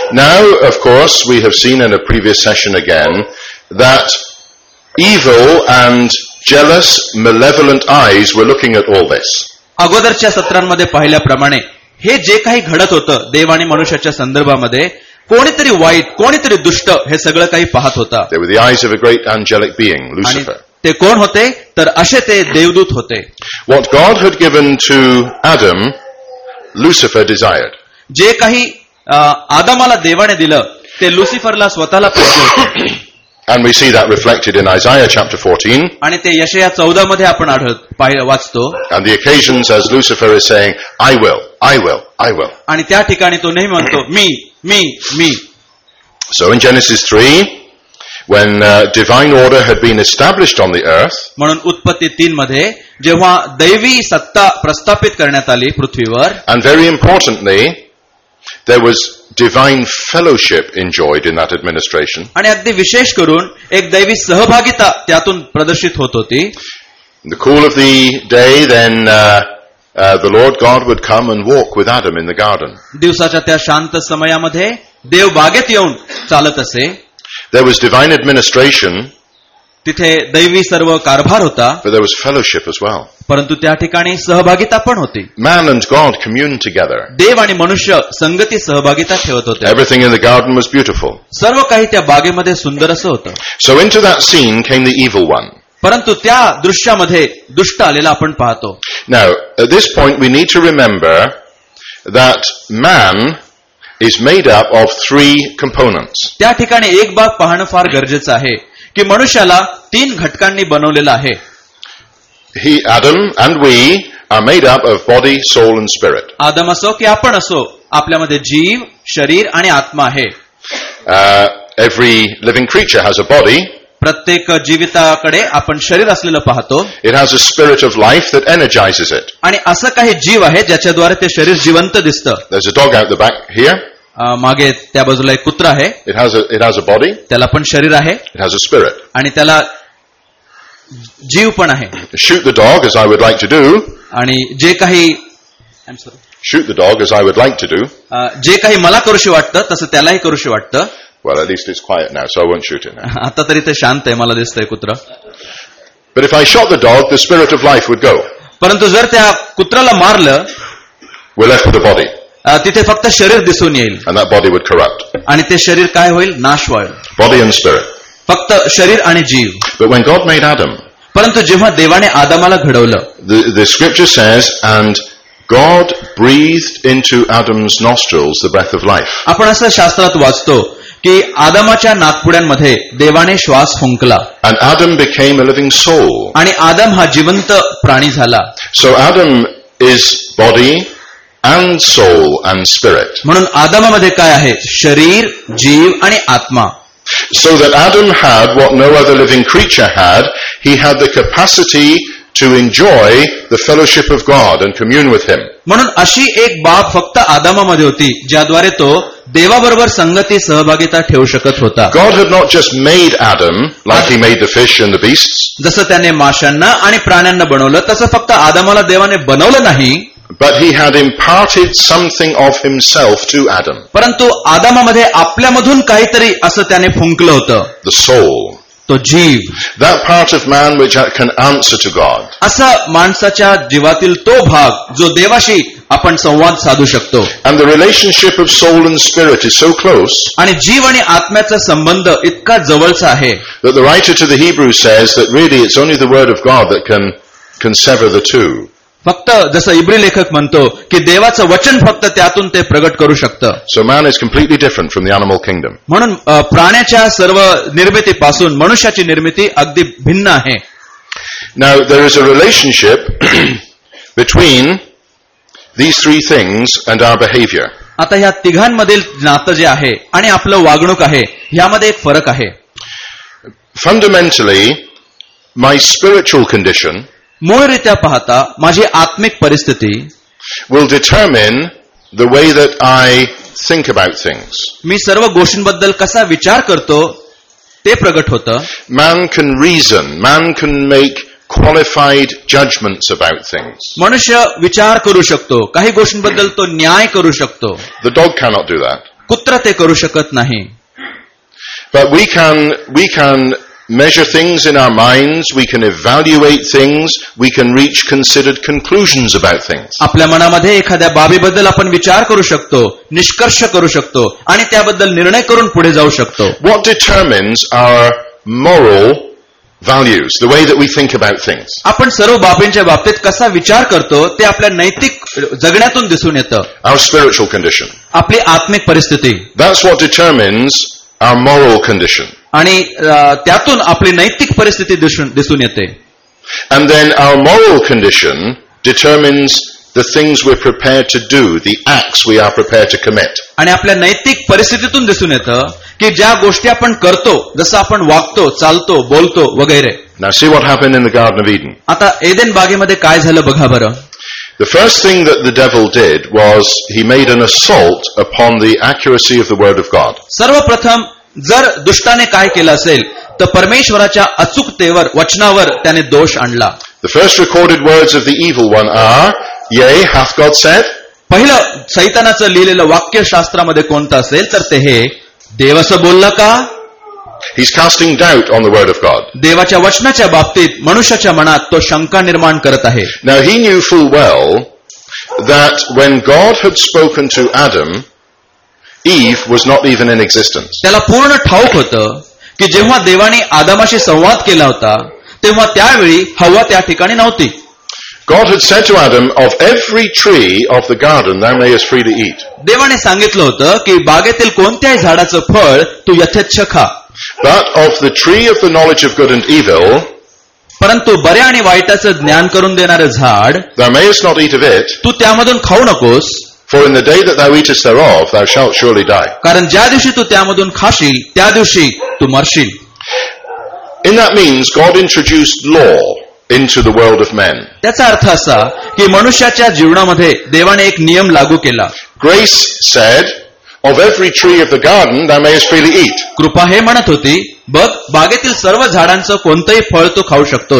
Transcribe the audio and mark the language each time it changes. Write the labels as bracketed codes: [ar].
[en] Now of course we have seen in a previous session again that evil and jealous malevolent eyes were looking at all this. [mr] अगोदरच्या सत्रांमध्ये पाहिल्याप्रमाणे हे जे काही घडत होतं देव आणि मनुष्याच्या संदर्भामध्ये कोणीतरी वाईट कोणीतरी दुष्ट हे सगळं काही पाहत होता. [en] They were the eyes of a great angelic being, Lucifer. [mr] ते कोण होते तर असे ते देवदूत होते. [en] What God had given to Adam, Lucifer desired. [mr] जे काही आदमाला देवाने दिलं ते लुसिफरला स्वतःला पाहिजे होते. [en] And we see that reflected in Isaiah chapter 14. [mr] आणि ते यशया 14 मध्ये आपण वाचतो. [en] And the occasions as Lucifer is saying, I will, I will, I will. [mr] आणि त्या ठिकाणी तो नेहमी म्हणतो मी मी मी. [en] So in Genesis 3, when divine order had been established on the earth, [mr] म्हणून उत्पत्ती 3 मध्ये जेव्हा दैवी सत्ता प्रस्थापित करण्यात आली पृथ्वीवर, [en] and very importantly, there was divine fellowship enjoyed in that administration. [mr] आणि अगदी विशेष करून एक दैवी सहभागिता त्यातून प्रदर्शित होत होती. [en] In the cool of the day, then the Lord God would come and walk with Adam in the garden. [mr] दिवसाच्या त्या शांत समयामध्ये देव बागेत येऊन चालत असे. [en] There was divine administration. [mr] तिथे दैवी सर्व कारभार होता. [en] But there was fellowship as well. [mr] परंतु त्या ठिकाणी सहभागिता पण होती. [en] Man and God communed together. [mr] देव आणि मनुष्य संगती सहभागिता ठेवत होते. [en] Everything in the garden was beautiful. [mr] सर्व काही त्या बागेमध्ये सुंदर असं होतं. [en] So into that scene came the evil one. [mr] परंतु त्या दृश्यामध्ये दुष्ट आलेला आपण पाहतो. [en] Now at this point we need to remember that man is made up of three components. [mr] त्या ठिकाणी एक बाब पाहणं फार गरजेचं आहे की मनुष्याला तीन घटकांनी बनवलेला आहे. [en] He, Adam and we are made up of body, soul and spirit. [mr] आदम असो की आपण असो आपल्यामध्ये जीव शरीर आणि आत्मा आहे. [en] Every living creature has a body. [mr] प्रत्येक जीविताकडे आपण शरीर असलेलं पाहतो. [en] It has a spirit of life that energizes it. [mr] आणि असं काही जीव आहे ज्याच्याद्वारे ते शरीर जिवंत दिसतं. [en] There's a dog out the back here. [mr] मागे त्या बाजूला एक कुत्रा आहे. [en] It has a body. [mr] त्याला पण शरीर आहे. [en] It has a spirit. [mr] आणि त्याला जीव पण आहे. [en] Shoot the dog as I would like to do. [mr] आणि जे काही [en] Shoot the dog as I would like to do. [mr] जे काही मला करूशी वाटतं तसं त्यालाही करूशी वाटतं. [en] Well at least it's quiet now so I won't shoot it. [mr] आता तरी ते शांत आहे मला दिसतंय कुत्रा. [en] But if I shot the dog the spirit of life would go. [mr] परंतु जर त्या कुत्र्याला मारलं [en] We left with the body. [mr] तिथे फक्त शरीर दिसून येईल. [en] And that body would corrupt. [mr] आणि ते शरीर काय होईल नाश व्हायल. [en] Body and spirit. [mr] फक्त शरीर आणि जीव. [en] But when God made Adam. [mr] परंतु जेव्हा देवाने आदमाला घडवलं. [en] The scripture says and God breathed into Adam's nostrils the breath of life. [mr] आपण असं शास्त्रात वाचतो की आदमाच्या नाकपुड्यांमध्ये देवाने श्वास फुंकला. [en] And Adam became a living soul. [mr] आणि आदम हा जिवंत प्राणी झाला. [en] So Adam is body and soul and spirit. [mr] म्हणून आदमामध्ये काय आहे शरीर जीव आणि आत्मा. [en] So that Adam had what no other living creature had, he had the capacity to enjoy the fellowship of God and commune with him. [mr] म्हणून अशी एक बाब फक्त आदमामध्ये होती ज्याद्वारे तो देवाबरोबर संगती सहभागिता ठेवू शकत होता. [en] God had not just made Adam like he made the fish and the beasts. [mr] जसं त्याने माशांना आणि प्राण्यांना बनवलं तसं फक्त आदमाला देवाने बनवलं नाही. [en] But he had imparted something of himself to Adam. [mr] परंतु आदमामध्ये आपल्यामधून काहीतरी असं त्याने फुंकलं होतं. [en] The soul. [mr] तो जीव. [en] That part of man which can answer to God. [mr] असा माणसाच्या जीवातील तो भाग जो देवाशी आपण संवाद साधू शकतो. [en] And the relationship of soul and spirit is so close. [mr] आणि जीव आणि आत्म्याचा संबंध इतका जवळचा आहे. [en] That the writer to the Hebrews says that really it's only the word of God that can sever the two. [mr] फक्त जसं इब्री लेखक म्हणतो की देवाचं वचन फक्त त्यातून ते प्रगट करू शकतं. [en] So man is completely different from the animal kingdom. [mr] म्हणून प्राण्याच्या सर्व निर्मितीपासून मनुष्याची निर्मिती अगदी भिन्न आहे. [en] Now there is a relationship between these three things and our behaviour. [mr] आता या तिघांमधील नातं जे आहे आणि आपलं वागणूक आहे यामध्ये एक फरक आहे. [en] Fundamentally my spiritual condition. [mr] मूळ रित्या पाहता माझी आत्मिक परिस्थिती [en] Will determine the way that I think about things. [mr] मी सर्व गोष्टींबद्दल कसा विचार करतो ते प्रगट होतं. [en] Man can reason. Man can make qualified judgements about things. [mr] मनुष्य विचार करू शकतो काही गोष्टींबद्दल तो न्याय करू शकतो. [en] The dog cannot do that. [mr] कुत्रा ते करू शकत नाही. [en] But we can measure things in our minds, we can evaluate things, we can reach considered conclusions about things. [mr] आपल्या मनामध्ये एखाद्या बाबीबद्दल आपण विचार करू शकतो निष्कर्ष करू शकतो आणि त्याबद्दल निर्णय करून पुढे जाऊ शकतो. [en] What determines our moral values, the way that we think about things. [mr] आपण सर्व बाबींच्या बाबतीत कसा विचार करतो ते आपल्या नैतिक जगण्यातून दिसून येतं. [en] Our spiritual condition. [mr] आपली आत्मिक परिस्थिती. [en] That's what determines our moral condition. [mr] आणि त्यातून आपली नैतिक परिस्थिती दिसून येते. [en] And then our moral condition determines the things we're prepared to do, the acts we are prepared to commit. [mr] आणि आपल्या नैतिक परिस्थितीतून दिसून येतं की ज्या गोष्टी आपण करतो जसं आपण वागतो चालतो बोलतो वगैरे. [en] Now see what happened in the Garden of Eden. [mr] आता एदेन बागेमध्ये काय झालं बघा बरं. [en] The first thing that the devil did was he made an assault upon the accuracy of the word of God. [mr] सर्वप्रथम जर दुष्टाने काय केलं असेल तर परमेश्वराच्या अचूकतेवर वचनावर त्याने दोष आणला. [en] The first recorded words of the evil one are, "Yea, hath God said?" [mr] पहिलं सैतानाचं लिहिलेलं वाक्य शास्त्रामध्ये कोणतं असेल तर ते हे, देव असं बोललं का? [en] He's casting doubt on the word of God. [mr] देवाच्या वचनाच्या बाबतीत मनुष्याच्या मनात तो शंका निर्माण करत आहे. [en] Now he knew full well that when God had spoken to Adam, Eve was not even in existence. [mr] त्याला पूर्ण ठाऊक होतं की जेव्हा देवाने आदमाशी संवाद केला होता तेव्हा त्यावेळी हव्वा त्या ठिकाणी नव्हती. [en] God had said to Adam, "Of every tree of the garden thou mayest freely eat." [mr] देवाने सांगितलं होतं की बागेतील कोणत्याही झाडाचं फळ तू यथेच्छ खा. [en] But of the tree of the knowledge of good and evil, [mr] परंतु बरे आणि वाईटाचं ज्ञान करून देणारं झाड [en] thou mayest not eat of it, [mr] तू त्यामधून खाऊ नकोस. [en] For in the day that thou eatest thereof, thou shalt surely die. [mr] कारण ज्या दिवशी तू त्यामधून खाशील त्या दिवशी तू मरशील. [en] In that means God introduced law into the world of men. [mr] त्याचा अर्थ असा की मनुष्याच्या जीवनामध्ये देवाने एक नियम लागू केला. [en] Grace said, "Of every tree of the garden thou mayest freely eat." [mr] कृपा हे म्हणत होती बघ बागेतील सर्व झाडांचं कोणतंही फळ तू खाऊ शकतो.